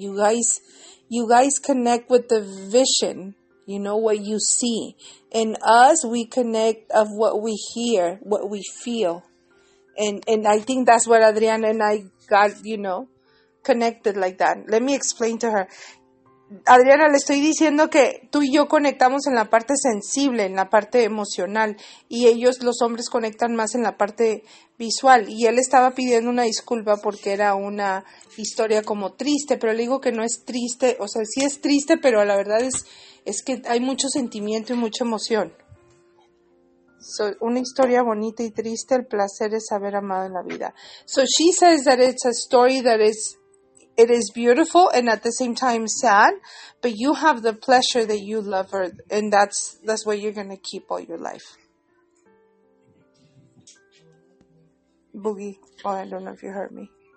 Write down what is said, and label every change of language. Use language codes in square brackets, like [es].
[en] You guys connect with the vision, you know, what you see. In us, we connect of what we hear, what we feel. And I think that's what Adriana and I got, you know, connected like that. Let me explain to her. [es] Adriana, le estoy diciendo que tú y yo conectamos en la parte sensible, en la parte emocional, y ellos, los hombres, conectan más en la parte visual. Y él estaba pidiendo una disculpa porque era una historia como triste, pero le digo que no es triste. O sea, sí es triste, pero la verdad es que hay mucho sentimiento y mucha emoción. So, una historia bonita y triste, el placer es haber amado en la vida. [en] So she says that it's a story that is, it is beautiful and at the same time sad, but you have the pleasure that you love her, and that's what you're going to keep all your life. Boogie, oh, I don't know if you heard me.